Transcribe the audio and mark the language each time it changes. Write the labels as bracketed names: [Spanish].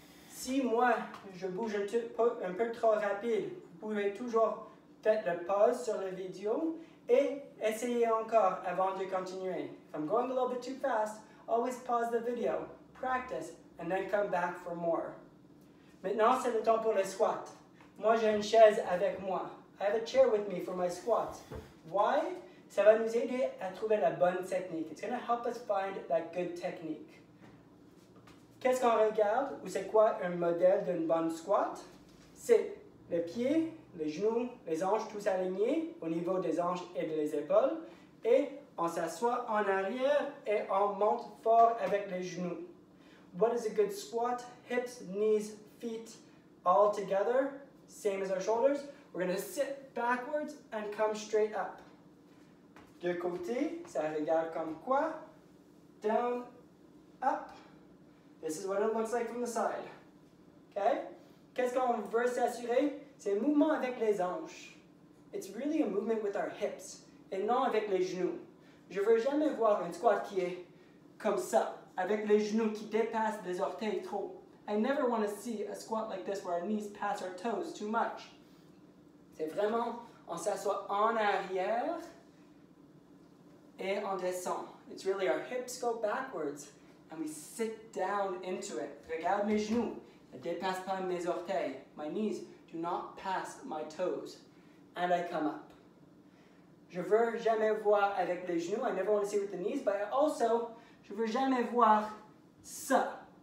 [French] Si moi, je bouge un peu trop rapide, vous pouvez toujours faire la pause sur la vidéo et essayer encore avant de continuer. [English] If I'm going a little bit too fast, always pause the video. Practice and then come back for more. [French] Maintenant, c'est le temps pour les squats. Moi, j'ai une chaise avec moi. [English] I have a chair with me for my squats. Why? [French] Ça va nous aider à trouver la bonne technique. [English] It's going to help us find that good technique. [French] Qu'est-ce qu'on regarde ou c'est quoi un modèle d'une bonne squat? C'est les pieds, les genoux, les hanches tous alignés au niveau des hanches et des épaules. Et on s'assoit en arrière et on monte fort avec les genoux. [English] What is a good squat? Hips, knees, feet, all together, same as our shoulders. We're going to sit backwards and come straight up. [French] De côté, ça regarde comme quoi? [English] Down, up. This is what it looks like from the side. [French] Okay? Qu'est-ce qu'on veut s'assurer? C'est un mouvement avec les hanches. [English] It's really a movement with our hips [French] et non avec les genoux. Je veux jamais voir un squat qui est comme ça. Avec les genoux qui dépassent les orteils trop. [English] I never want to see a squat like this where our knees pass our toes too much. [French] C'est vraiment, on s'assoit en arrière et on descend. [English] It's really our hips go backwards and we sit down into it. [French] Regarde mes genoux, ne dépassent pas mes orteils. [English] My knees do not pass my toes. And I come up. [French] Je veux jamais voir avec les genoux. [English] I never want to see with the knees. But also, [French] je veux jamais voir ça.